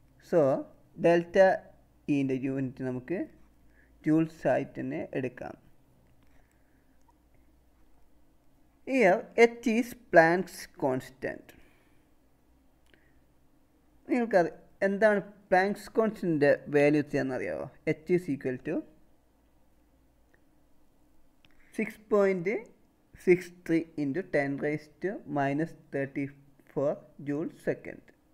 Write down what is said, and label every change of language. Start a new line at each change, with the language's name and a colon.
Malayalam: So delta ഇൻ്റെ unit നമുക്ക് joules ആയിട്ട് തന്നെ എടുക്കാം.
English: Here, H is Planck's constant.
Malayalam: നിങ്ങൾക്ക് എന്താണ് planks കോൺസ്റ്റൻ്റിൻ്റെ value എന്നറിയാവോ?
English: H is equal to 6.63 × 10⁻³⁴ joule second.